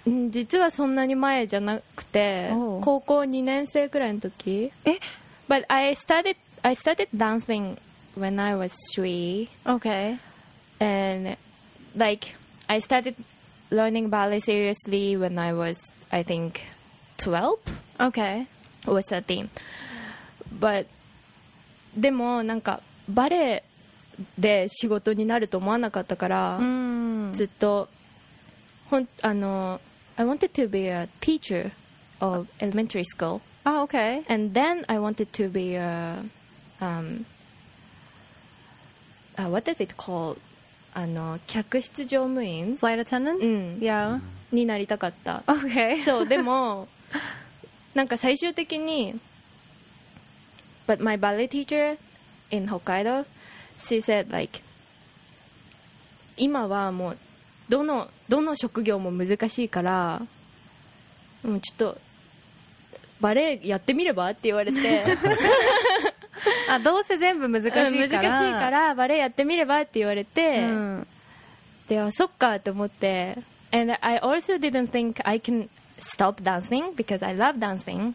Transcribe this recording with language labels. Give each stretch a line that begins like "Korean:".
Japanese: 実はそんなに前じゃなくて、 oh. 高校2年生くらいの時。
English: But I started dancing when I was three. Okay. And like I started learning ballet seriously when I was I think 12. Okay. Was 13.
Japanese: But でもなんかバレエで仕事になると思わなかったから、 mm. ずっと
English: I wanted to be a teacher of elementary school. Oh, okay. And then I wanted to be a... what is it called? 客室乗務員? Flight attendant?
Japanese: うん。
English: Yeah.
Japanese: になりたかった。
English: Okay.
Japanese: そう、でも、なんか最終的に...
English: But my ballet teacher in Hokkaido, she said like...
Japanese: 今はもう、どの職業も難しいからもうちょっとバレエやってみればって言われてあ、どうせ全部難しいから、うん、難しいからバレエやってみればって言われて、うん、ではそっかと思って。
English: And I also didn't think I can stop dancing because I love dancing.